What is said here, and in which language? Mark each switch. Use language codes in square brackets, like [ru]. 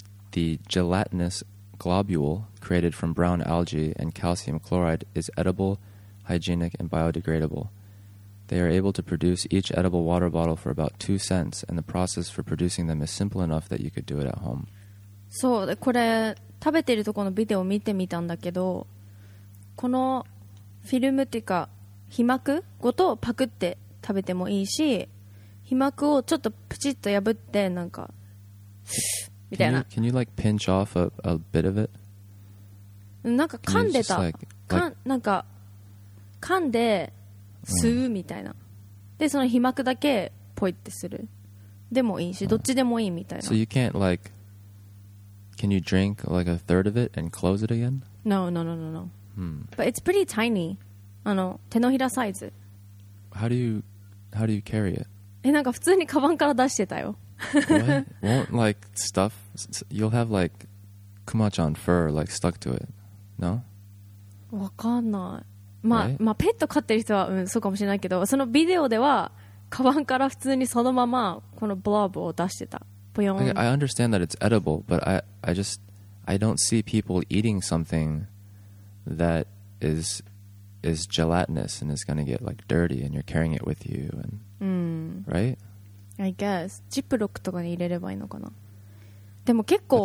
[en] The gelatinous globule created from brown algae and calcium chloride is edible, hygienic, and biodegradable. They are able to produce each edible water bottle for about 2 cents, and the process for producing them is simple enough that you could do it at home. [ja] そう、これ食べてるところのビデオを見てみたんだけど、このフィルムっていうか被膜ごとパクって食べてもいいし、被膜をちょっとプチッと破ってなんかみたいな。 [en] Can you like pinch off a bit of it? [ja] なんか噛んでた。なんか噛んで吸うみたいな。でその被膜だけポイってする。でもいいし、どっちでもいいみたいな。 [en] So you can't like, can you drink like a third of it and close it again? No. Hmm. But it's pretty tiny. [ja] あの手のひらサイズ。 [en] How do you carry it? [ja] え、なんか普通にカバンから出してたよ。 [en] What? Won't like stuff? You'll have like Kuma-chan fur like stuck to it. No? [ja] わかんない。まあ、 [en] right? [ja] まあ、ペット飼ってる人は、うん、そうかもしれないけど、そのビデオではカバンから普通にそのままこのブロブを出してた。ポヨン。 [en] Okay, I understand that it's edible, but I don't see people eating something that is gelatinous and is gonna get like dirty and you're carrying it with you and、 mm. right? [ja] I guess ジップロックとかに入れればいいのかな。でも結構。